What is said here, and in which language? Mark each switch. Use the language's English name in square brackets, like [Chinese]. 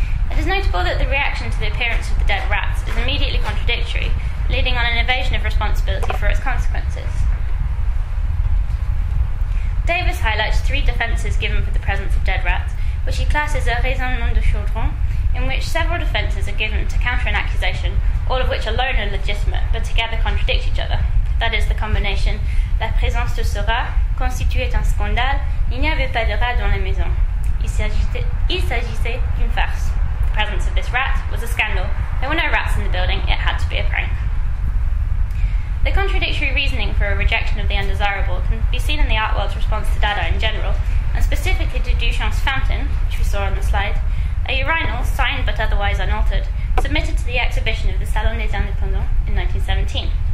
[English] It is notable that the reaction to the appearance of the dead rats is immediately contradictory, leading on an evasion of responsibility for its consequences. Davis highlights three defences given for the presence of dead rats, which he classes a [French] raisonnement de chaudron, [English] in which several defences are given to counter an accusation, all of which alone are legitimate, but together contradict each other. That is the combination, [French] la présence de ce rat constituait un scandale, il n'y avait pas de rat dans la maison. Il s'agissait d'une farce. [English] The presence of this rat was a scandal. There were no rats in the building, it had to be a prank. The contradictory reasoning for a rejection of the undesirable can be seen in the art world's response to Dada in general, and specifically to Duchamp's fountain, which we saw on the slide, a urinal, signed but otherwise unaltered, submitted to the exhibition of the Salon des Indépendants in 1917.